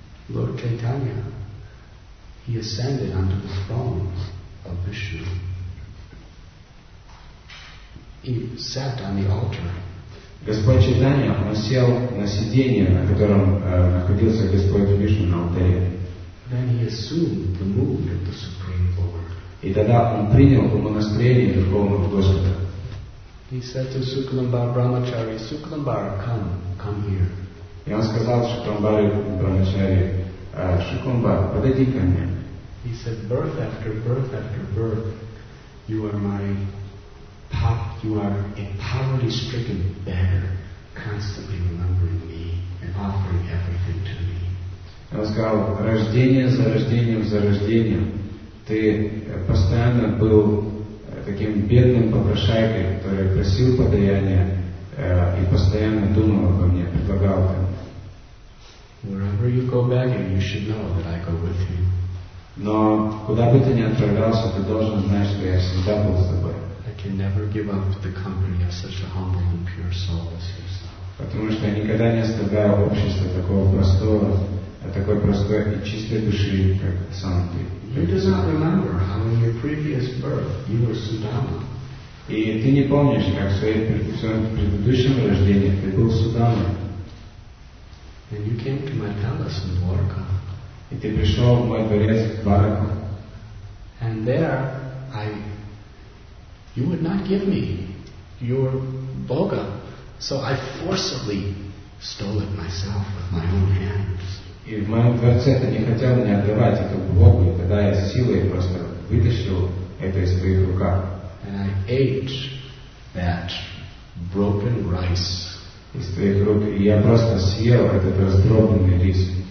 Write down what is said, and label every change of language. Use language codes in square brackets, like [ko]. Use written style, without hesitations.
[en] Lord Chaitanya, he ascended onto the throne of Vishnu. He sat on the altar [ru] Господь Чайтанья, он сел на сиденье, на котором находился Господь Вишну на алтаре. [en] Then he assumed the movement of the Supreme Lord. [ru] И тогда он принял умонастроение Верховного Господа. [en] He said to Sukalambar Brahmachari, Sukalambar, come, come here. [ru] И он сказал Шукламбаре Брамачари, Шукламбар, подойди ко мне. [en] He said, birth after birth after birth, you are my path, you are a poverty stricken beggar, constantly remembering me and offering everything to me. [ru] Он сказал, рождение за рождением за рождением, ты постоянно был таким бедным попрошайкой, который просил подаяния и постоянно думал обо мне, предлагал ты. [en] Wherever you go begging, you should know that I go with you. [ru] Но куда бы ты ни отправлялся, ты должен знать, что я всегда был с тобой. [en] I can never give up the company of such a humble and pure soul as yourself. [ru] Потому что я никогда не оставляю общество такого простого, такой простой и чистой души, как сам ты. [en] You do not remember how in your previous birth you were Sudama. [ru] И ты не помнишь, как в своем предыдущем рождении ты был Судама. [en] And you came to my palace in Dwarka. [ru] И ты пришел в мой дворец в Дварку. [en] And there you would not give me your boga, so I forcibly stole it myself with my own hands. [ru] И в моем дворце ты не хотел мне отдавать эту богу, и тогда я силой просто вытащил это из твоих рук. [en] And I ate that broken rice. [ru] Из твоих рук, и я просто съел этот раздробленный рис.